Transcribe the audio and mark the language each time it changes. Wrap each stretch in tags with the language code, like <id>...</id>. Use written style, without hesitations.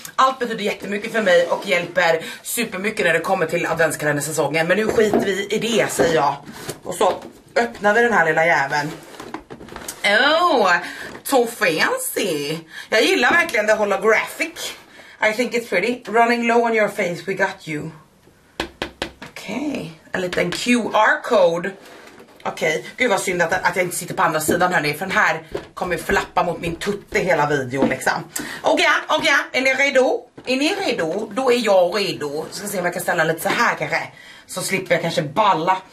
<sv>Allt betyder jättemycket för mig och hjälper supermycket när det kommer till adventskalendersäsongen. Men nu skiter vi i det, säger jag. Och så öppnar vi den här lilla jäveln.</sv> <en>Oh, so fancy.</en> <sv>Jag gillar verkligen det holographic.</sv> <en>I think it's pretty. Running low on your face, we got you.</en> <sv>Okej, okay. En liten QR-code. Okej, okay. Gud vad synd att jag inte sitter på andra sidan, hörni. För den här kommer flappa mot min tutte hela videon liksom. Okej, är ni redo? Är ni redo? Då är jag redo. Ska se om jag kan ställa lite så här kanske. Så slipper jag kanske balla.</sv>